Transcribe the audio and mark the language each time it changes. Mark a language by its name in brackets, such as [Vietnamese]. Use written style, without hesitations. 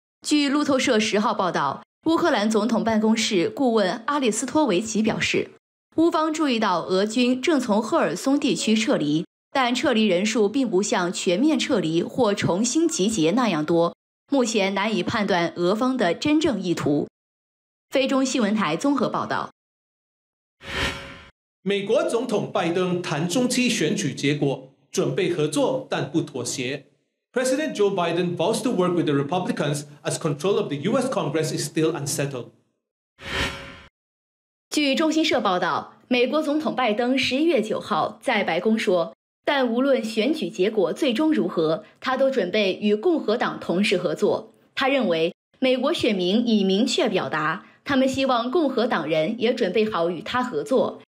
[Chinese] 据路透社10号报道，乌克兰总统办公室顾问阿列斯托维奇表示，乌方注意到俄军正从赫尔松地区撤离，但撤离人数并不像全面撤离或重新集结那样多，目前难以判断俄方的真正意图。菲中新闻台综合报道。美国总统拜登谈中期选举结果，准备合作但不妥协。 [English] President Joe Biden vows to work with the Republicans as control of the U.S. Congress is still unsettled. [Chinese] 据中新社报道，美国总统拜登11月9号在白宫说，但无论选举结果最终如何，他都准备与共和党同时合作。他认为，美国选民已明确表达，他们希望共和党人也准备好与他合作。